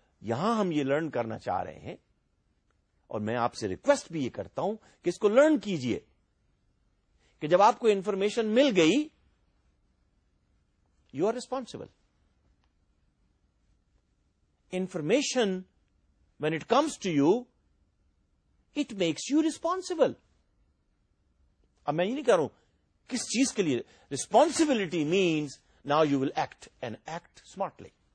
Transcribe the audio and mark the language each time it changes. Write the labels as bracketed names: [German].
[Urdu] یہاں ہم یہ learn کرنا چاہ رہے ہیں, اور میں آپ سے request بھی یہ کرتا ہوں کہ اس کو learn کیجئے کہ جب آپ کو information مل گئی, [English] you are responsible. Information, when it comes to you, it makes you responsible. [Urdu] اب میں یہ نہیں کہہ رہا ہوں کس چیز کے لیے, [English] Responsibility means now you will act and act smartly.